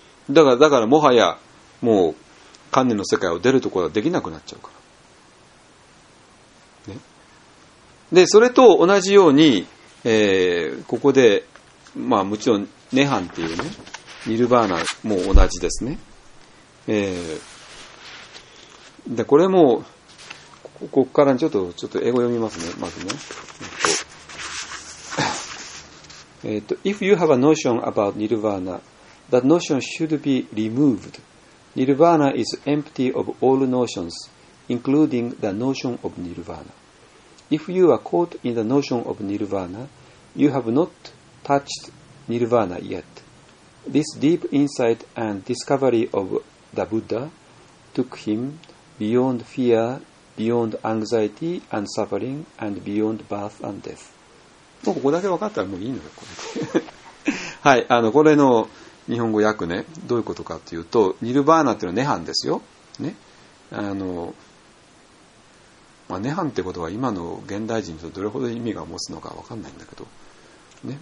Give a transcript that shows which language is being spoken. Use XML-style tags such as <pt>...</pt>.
<ja>だからもはやもう観念の世界を出るところはできなくなっちゃうから、ね、でそれと同じように、ここで、まあ、もちろんネハンっていうねニルバーナも同じですね、でこれもここからちょっと英語読みますね。まずね、</ja> <en>If you have a notion about Nirvana, that notion should be removed. Nirvana is empty of all notions, including the notion of Nirvana. If you are caught in the notion of Nirvana, you have not touched Nirvana yet. This deep insight and discovery of the Buddha took him beyond fear, beyond anxiety and suffering, and beyond birth and death.</en> <ja>もうここだけ分かったらもういいのよ、これ。はい、これの日本語訳ね、どういうことかというと、ニルバーナっていうのはネハンですよ。ね。まあ、ネハンってことは今の現代人とどれほど意味が持つのか分かんないんだけど、ね。</ja>